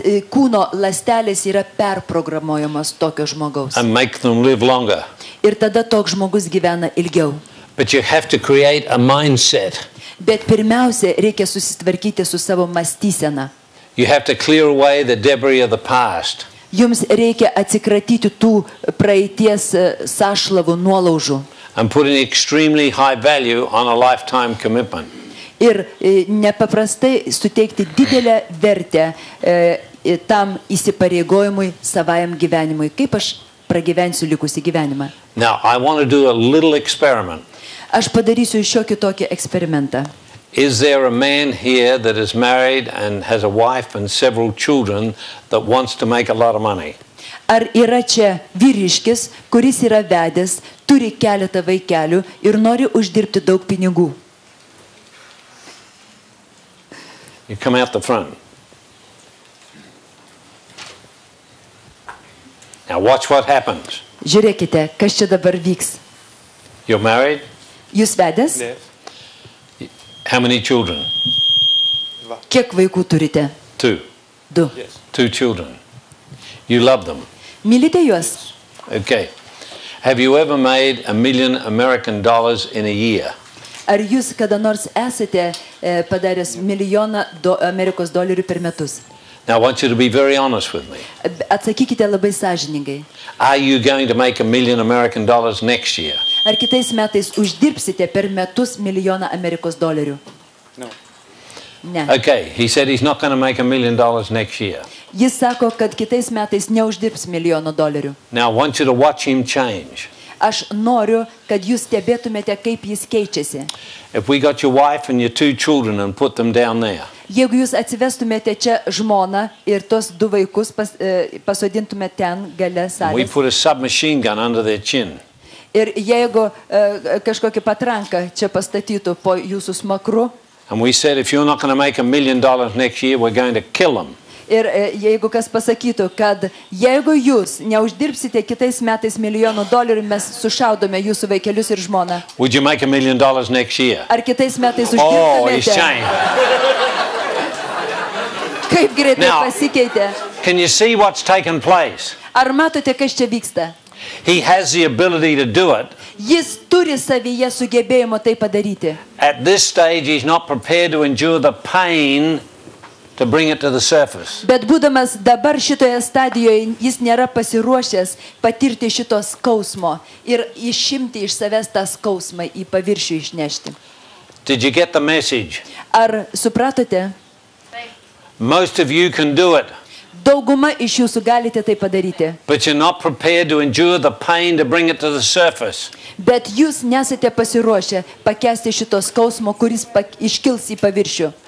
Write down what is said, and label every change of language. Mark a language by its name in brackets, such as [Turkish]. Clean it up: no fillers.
[Lithuanian] Kūno ląstelės yra perprogramuojamos tokio žmogaus. [English] And make them live longer. [Lithuanian] Ir tada toks žmogus gyvena ilgiau. [English] But you have to create a mindset. [Lithuanian] Bet pirmiausia, reikia susitvarkyti su savo mąstysena. [English] You have to clear away the debris of the past. [Lithuanian] Jums reikia atsikratyti tų praeities sąšlavų, nuolaužų. [English] And put an extremely high value on a lifetime commitment. [Lithuanian] Ir nepaprastai suteikti didelę vertę tam įsipareigojimui savajam gyvenimui. Kaip aš pragyvensiu likusį gyvenimą? [English] Now, I want to do a little experiment. [Lithuanian] Aš padarysiu šiokį tokį eksperimentą. [English] Is there a man here that is married and has a wife and several children that wants to make a lot of money? [Lithuanian] Ar yra čia vyriškis, kuris yra vedęs, turi keletą vaikelių ir nori uždirbti daug pinigų? [English] You come out the front. Now watch what happens. [Lithuanian] Žiūrėkite, kas čia dabar vyks. [English] You're married? [Lithuanian] Jūs vedęs? [English] Yes. How many children? [Lithuanian] Kiek vaikų turite? [English] Two. [Lithuanian] Du. [English] Yes. Two children. You love them. [Lithuanian] Mylite juos? [English] Okay. Have you ever made $1 million in a year? [Lithuanian] Ar jūs kada nors esate padaręs milijoną Amerikos dolerių per metus? [English] Now I want you to be very honest with me. [Lithuanian] Atsakykite labai sąžiningai. [English] Are you going to make $1 million next year? [Lithuanian] Ar kitais metais uždirbsite per metus milijoną Amerikos dolerių? [English] No. [Lithuanian] Ne. [English] Okay, he said he's not going to make $1 million next year. [Lithuanian] Jis sako, kad kitais metais neuždirbs milijono dolerių. [English] Now I want you to watch him change. [Lithuanian] Aš noriu, kad jūs stebėtumėte, kaip jis keičiasi. [English] If we got your wife and your two children and put them down there. [Lithuanian] Jeigu jūs atsivestumėte čia žmoną ir tos du vaikus pasodintumėte ten gale salės. [English] We put a submachine gun under their chin. [Lithuanian] Ir jeigu kažkokį patranką čia pastatytų po jūsų smakru. [English] And we said if you're not going to make $1 million next year, we're going to kill them. [Lithuanian] Ir jeigu kas pasakytų, kad jeigu jūs neuždirbsite kitais metais milijono dolerių, mes sušaudome jūsų vaikelius ir žmoną. [English] Would you make $1 million next year? [Lithuanian] Ar kitais metais uždirbsite? [English] Oh, he's changed. [Lithuanian] Kaip greitai pasikeitė? [English] Can you see what's taken place? [Lithuanian] Ar matote, kas čia vyksta? [English] He has the ability to do it. [Lithuanian] Jis turi savyje sugebėjimo tai padaryti. [English] At this stage he's not prepared to endure the pain to bring it to the surface. [Lithuanian] Bet būdamas dabar šitoje stadijoje, jis nėra pasiruošęs patirti šito skausmo ir išimti iš savęs tą skausmą į paviršių išnešti. [English] Did you get the message? [Lithuanian] Ar supratote? [English] Most of you can do it. [Lithuanian] Dauguma iš jūsų galite tai padaryti. [English] But you're not prepared to endure the pain to bring it to the surface. [Lithuanian] Bet jūs nesate pasiruošę pakęsti šito skausmo, kuris iškils į paviršių.